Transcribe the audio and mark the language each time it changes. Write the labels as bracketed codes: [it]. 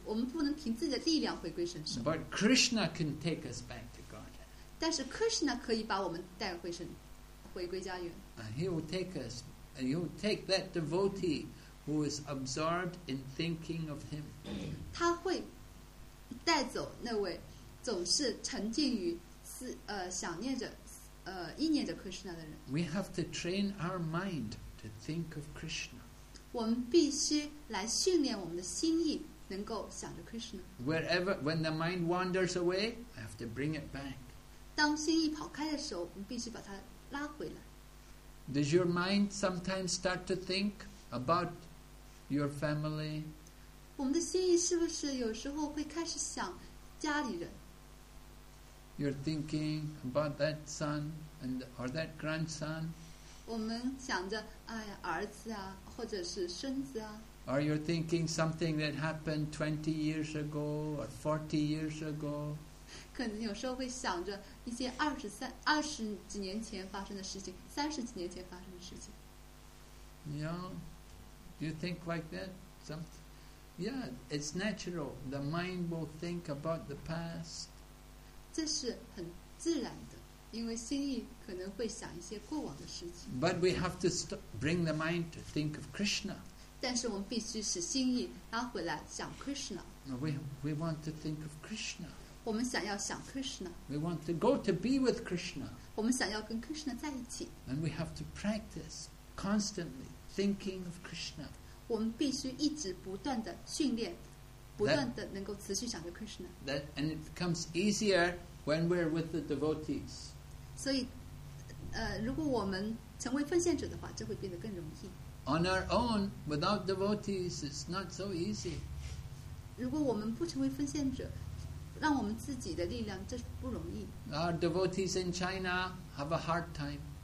[zh] 我们不能凭自己的力量回归神圣。 [en] But Krishna can take us back to Godhead. [zh] 但是 Krishna 可以把我们带回神，回归家园。 [en] He will take us. And he will take that devotee who is absorbed in thinking of him. [zh] 他会带走那位总是沉浸于想念着意念着 Krishna 的人。 [en] We have to train our mind to think of Krishna. [zh] 我们必须来训练我们的心意能够想着 Krishna. [en] Wherever when the mind wanders away, I have to bring it back. [zh] 当心意跑开的时候，我们必须把它拉回来。 [en] Does your mind sometimes start to think about your family? [zh] 我们的心意是不是有时候会开始想家里人？ [en] You're thinking about that son and or that grandson. [zh] 我们想着哎呀儿子啊，或者是孙子啊。 [en] Or you're thinking something that happened 20 years ago or 40 years ago. [zh] 可能有时候会想着。一些二十几年前发生的事情，三十几年前发生的事情。 [en] Yeah, you think like that? Something? Yeah, it's natural. The mind will think about the past. [zh] 这是很自然的，因为心意可能会想一些过往的事情。 [en] But we have to bring the mind to think of Krishna. [zh] 但是我们必须使心意拉回来想 Krishna. [en] We want to think of Krishna. [zh] 我们想要想 Krishna. [en] We want to go to be with Krishna. [zh] 我们想要跟 Krishna 在一起。 [en] And we have to practice constantly thinking of Krishna. [zh] 我们必须一直不断的训练，不断的能够持续想着 Krishna. [en] And it becomes easier when we're with the devotees. [zh] 所以，如果我们成为奉献者的话，就会变得更容易。 [en] On our own, without devotees, it's not so easy. [zh] 如果我们不成为奉献者，让我们自己的力量，这不容易。 [en] Our devotees in China have a hard time.